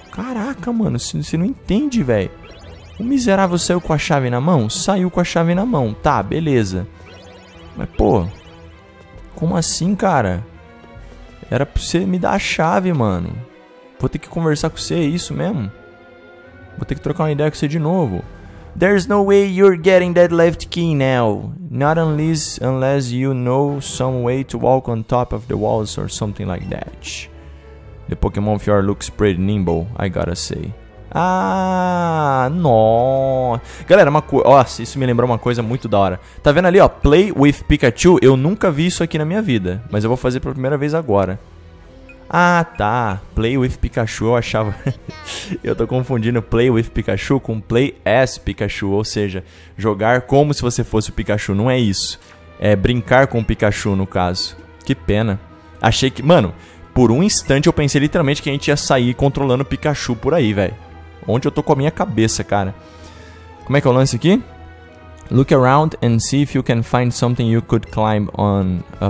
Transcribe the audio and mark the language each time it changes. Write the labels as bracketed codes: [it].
[pt] Caraca, mano, você não entende, velho. O miserável saiu com a chave na mão? Saiu com a chave na mão. Tá, beleza. Mas, pô, como assim, cara? Era pra você me dar a chave, mano. Vou ter que conversar com você, é isso mesmo? Vou ter que trocar uma ideia com você de novo. [en] There's no way you're getting that left key now. Not unless you know some way to walk on top of the walls or something like that. The Pokémon of yours looks pretty nimble, I gotta say. Ah, no. [pt] Galera, isso me lembrou uma coisa muito da hora. Tá vendo ali, ó, [en] play with Pikachu? [pt] Eu nunca vi isso aqui na minha vida, mas eu vou fazer pela primeira vez agora. Ah, tá, [en] play with Pikachu, [pt] eu achava... eu tô confundindo play with Pikachu com [en] play as Pikachu, [pt] ou seja, jogar como se você fosse o Pikachu, não é isso. É brincar com o Pikachu, no caso. Que pena. Achei que, mano, por um instante eu pensei literalmente que a gente ia sair controlando o Pikachu por aí, velho. Onde eu tô com a minha cabeça, cara. Como é que é o lance aqui? [en] Look around and see if you can find something you could climb on.